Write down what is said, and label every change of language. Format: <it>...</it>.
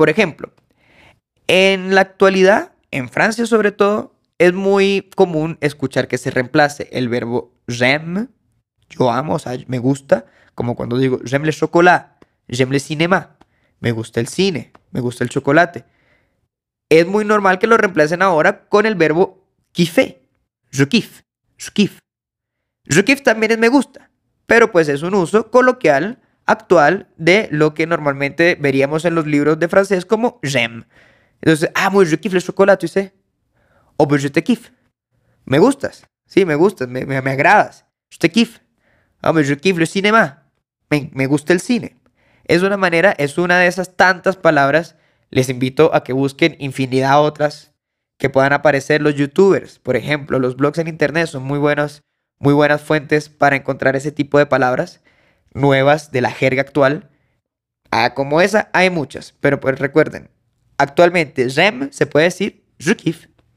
<es>Por ejemplo, en la actualidad, en Francia sobre todo, es muy común escuchar que se reemplace el verbo j'aime, yo amo, o sea, me gusta, como cuando digo</es> <fr>j'aime le chocolat, j'aime le cinéma,</fr> <es>me gusta el cine, me gusta el chocolate. Es muy normal que lo reemplacen ahora con el verbo kiffer.</es> <fr>Je kiffe. Je kiffe. Je kiffe</fr> <es>también es me gusta. Pero pues es un uso coloquial, actual, de lo que normalmente veríamos en los libros de francés como j'aime.</es> <fr>Entonces, ah, moi je kiffe le chocolat, tu sais.</fr> <es>O pues</es> <fr>je te kiffe.</fr> <es>Me gustas. Sí, me gustas. Me agradas.</es> <fr>Je te kiffe. Ah, moi je kiffe le cinéma.</fr> <es>Me gusta el cine. Es una manera, es una de esas tantas palabras. Les invito a que busquen infinidad otras que puedan aparecer los youtubers. Por ejemplo, los blogs en internet son muy buenas fuentes para encontrar ese tipo de palabras nuevas de la jerga actual. Ah, como esa, hay muchas. Pero pues recuerden, actualmente j'aime se puede decir</es> <fr>je kiffe.</fr>